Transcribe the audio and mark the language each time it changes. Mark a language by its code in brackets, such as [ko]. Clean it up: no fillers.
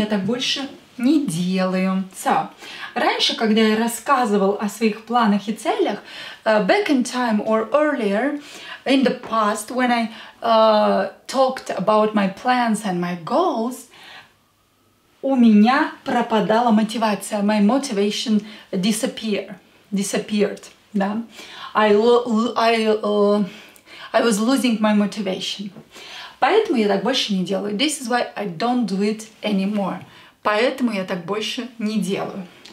[ru] Поэтому я так больше не делаю. So, раньше, когда я рассказывал о своих планах и целях, [en] back in time or earlier, in the past, when I talked about my plans and my goals, [ru] у меня пропадала мотивация, [en] my motivation disappeared, [ru] да? [en] I was losing my motivation. [ru] Поэтому я так больше не делаю. [en] This is why I don't do it anymore. [ru] Поэтому я так больше не делаю.